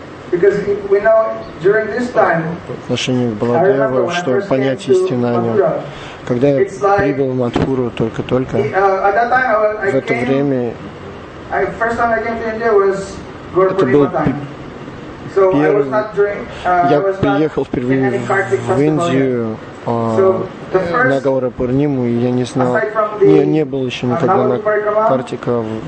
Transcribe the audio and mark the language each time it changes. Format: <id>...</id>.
<en>Because we know during this time, I remember when I first came to Mathura.</en> <ru>Когда я прибыл в Матхуру только-только.</ru> <en>At that time, first time I came to India was Gaurapurnima time. So</en> <ru>я приехал впервые в Индию на Гаурапурниму, и я не знал, я не был еще никогда на Картика в</ru>